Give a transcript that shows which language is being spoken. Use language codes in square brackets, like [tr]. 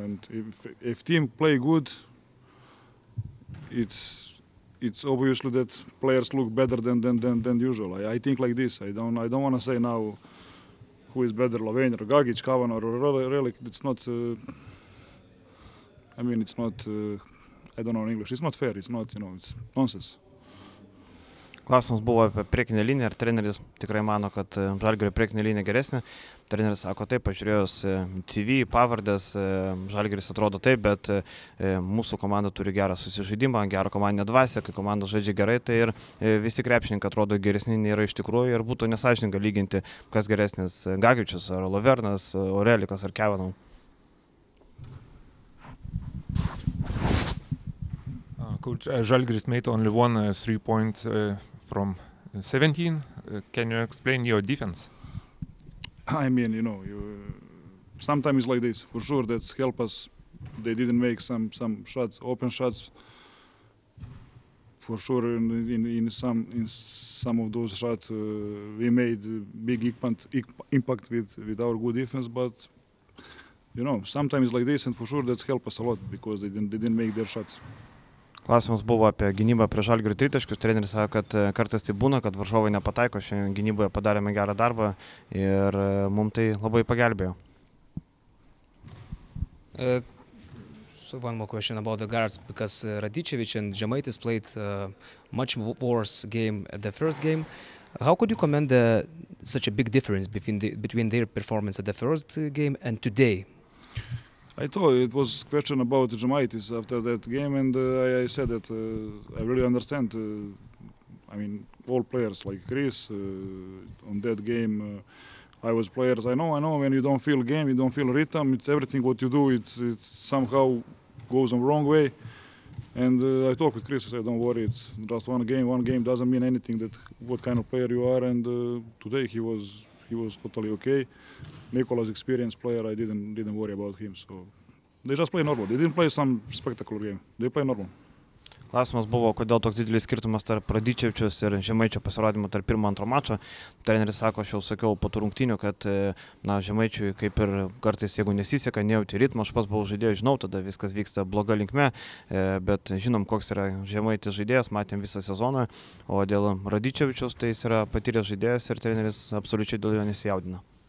[en] And if team play good, it's obviously that players look better than usual. I think like this. I don't want to say now who is better, Lovain or Gagic, Kavanor or Relic. It's not. I mean, it's not. I don't know in English. It's not fair. It's not, you know, it's nonsense. [lt] Klausimas buvo apie priekinę liniją, ar treneris tikrai mano, kad Žalgirio priekinė linija geresnė. Treneris sako taip, pažiūrėjus CV, pavardės, Žalgiris atrodo taip, bet mūsų komanda turi gerą susižaidimą, gerą komandinę dvasę, kai komanda žaidžia gerai, tai ir visi krepšininkai atrodo geresni nei yra iš tikrųjų ir būtų nesąžininga lyginti, kas geresnis Gagičius ar Lovernas, Orelikas ar Kevinau. [en] Coach, Žalgiris made only one three-point from 17. Can you explain your defense? I mean, you know, sometimes it's like this. For sure, that's help us. They didn't make some shots, open shots. For sure, in some of those shots, we made big impact with our good defense. But you know, sometimes it's like this, and for sure, that's help us a lot because they didn't make their shots. [lt] Klausimas buvo apie gynybą prie Žalgirio tritaškius. Treneris sako, kad kartais tai būna, kad varžovai nepataiko. Šiandien gynyboje padarėme gerą darbą ir mums tai labai pagelbėjo. [en] So one more question about the guards, because Radičevič and Žemaitis played much worse game at the first game. How could you comment such a big difference between their performance at the first game and today? I thought it was a question about Žemaitis after that game, and I said that I really understand. I mean, all players like Chris on that game. I was players. I know. When you don't feel game, you don't feel rhythm. It's everything what you do. It somehow goes on wrong way. And I talked with Chris, I said, don't worry, it's just one game doesn't mean anything, that what kind of player you are, and today he was totally okay. Nikola's experienced player, I didn't worry about him, so they just play normal, they didn't play some spectacular game, they play normal. [lt] Klausimas buvo, kodėl toks didelis skirtumas tarp Radičevičiaus ir Žemaičio pasirodymo tarp pirmo antro mačo. Treneris sako, aš jau sakiau po tų rungtynių, kad na, Žemaičiui kaip ir kartais, jeigu nesiseka, nejauti ritmo, aš pas buvau žaidėjo, žinau, tada viskas vyksta bloga linkme, bet žinom, koks yra Žemaitis žaidėjas, matėm visą sezoną, o dėl Radičevičiaus tai jis yra patyręs žaidėjas ir treneris absoliučiai dėl jo nesijaudina.